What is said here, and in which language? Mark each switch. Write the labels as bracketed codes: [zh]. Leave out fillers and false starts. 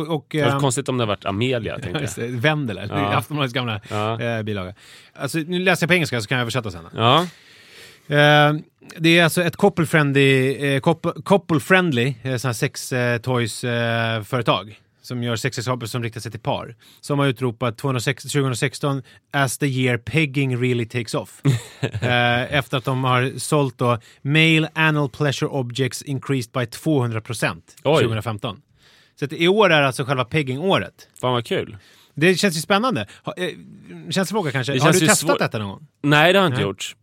[sv] Det var konstigt om det har varit Amelia, tänkte jag. Vendela, Aftonbladets gamla bilaga. Alltså, nu läser jag på engelska så kan jag översätta sen. Ja. Det är alltså ett couple-friendly sån här sex-toys-företag. Som gör sexleksaker som riktar sig till par. Som har utropat 2016 [en] as the year pegging really takes off. [sv] efter att de har sålt då [en] male anal pleasure objects increased by 200% [sv] 2015. Så att i år är alltså själva pegging-året. Fan vad kul. Det känns ju spännande. Känns fråga kanske. Det känns har du testat detta någon gång? Nej, det har inte gjort.